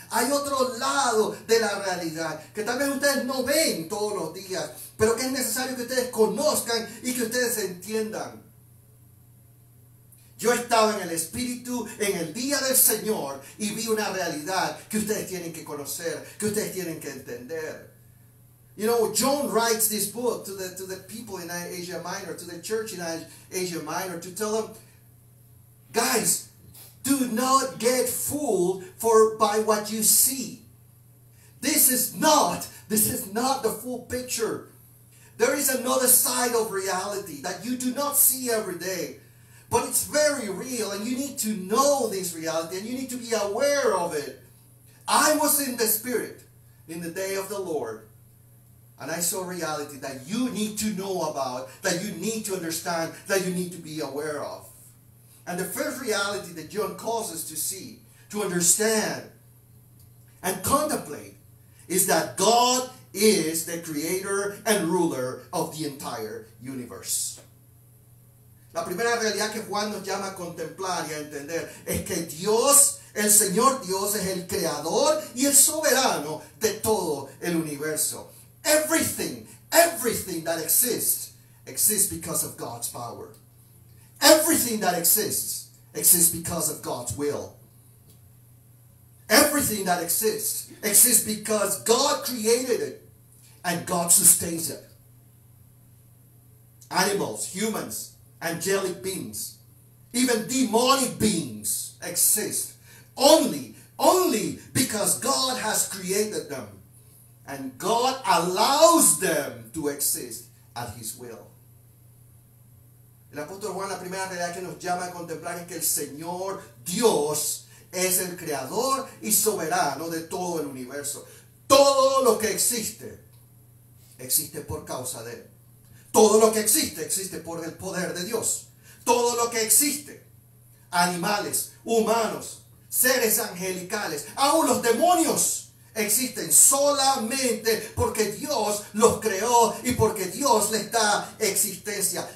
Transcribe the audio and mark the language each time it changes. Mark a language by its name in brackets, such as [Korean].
[Spanish] Hay otro lado de la realidad que tal vez ustedes no ven todos los días, pero que es necesario que ustedes conozcan y que ustedes entiendan. Yo estaba en el Espíritu en el día del Señor y vi una realidad que ustedes tienen que conocer, que ustedes tienen que entender. [English] You know, John writes this book to the people in Asia Minor, to the church in Asia Minor, to tell them, guys, do not get fooled by what you see. This is not the full picture. There is another side of reality that you do not see every day, but it's very real, and you need to know this reality, and you need to be aware of it. I was in the Spirit in the day of the Lord, and I saw reality that you need to know about, that you need to understand, that you need to be aware of. And the first reality that John calls us to see, to understand, and contemplate, is that God is the creator and ruler of the entire universe. [Spanish] La primera realidad que Juan nos llama a contemplar y a entender es que Dios, el Señor Dios, es el creador y el soberano de todo el universo. [English] Everything that exists because of God's power. Everything that exists because of God's will. Everything that exists because God created it and God sustains it. Animals, humans, angelic beings, even demonic beings exist only because God has created them. And God allows them to exist at His will. [Spanish] El apóstol Juan, la primera realidad que nos llama a contemplar es que el Señor Dios es el creador y soberano de todo el universo. Todo lo que existe, existe por causa de Él. Todo lo que existe por el poder de Dios. Todo lo que existe, animales, humanos, seres angelicales, aún los demonios, existen solamente porque Dios los creó y porque Dios les da existencia.